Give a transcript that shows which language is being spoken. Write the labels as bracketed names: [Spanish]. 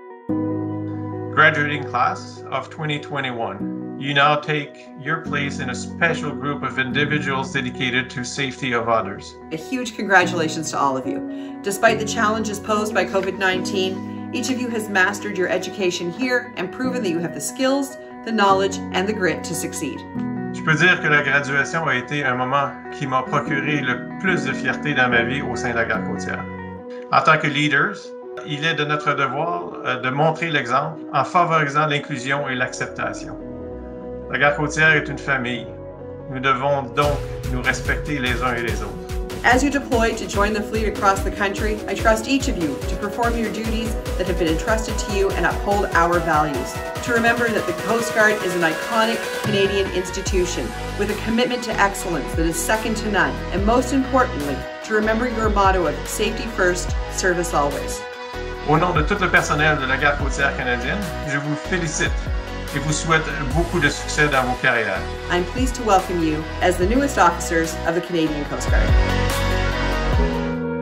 [English] Graduating class of 2021, you now take your place in a special group of individuals dedicated to safety of others. A huge congratulations to all of you. Despite the challenges posed by COVID-19, each of you has mastered your education here and proven that you have the skills, the knowledge, and the grit to succeed. [French] Je peux dire que la graduation a été un moment qui m'a procuré le plus de fierté dans ma vie au sein de la garde côtière. En tant que leaders, il est de notre devoir de montrer l'exemple en favorisant l'inclusion et l'acceptation. La garde côtière est une famille. Nous devons donc nous respecter les uns et les autres. [English] As you deploy to join the fleet across the country, I trust each of you to perform your duties that have been entrusted to you and uphold our values. To remember that the Coast Guard is an iconic Canadian institution with a commitment to excellence that is second to none. And most importantly, to remember your motto of safety first, service always. [French] Au nom de tout le personnel de la Garde Côtière canadienne, je vous félicite et vous souhaite beaucoup de succès dans vos carrières. [English] I'm pleased to welcome you as the newest officers of the Canadian Coast Guard.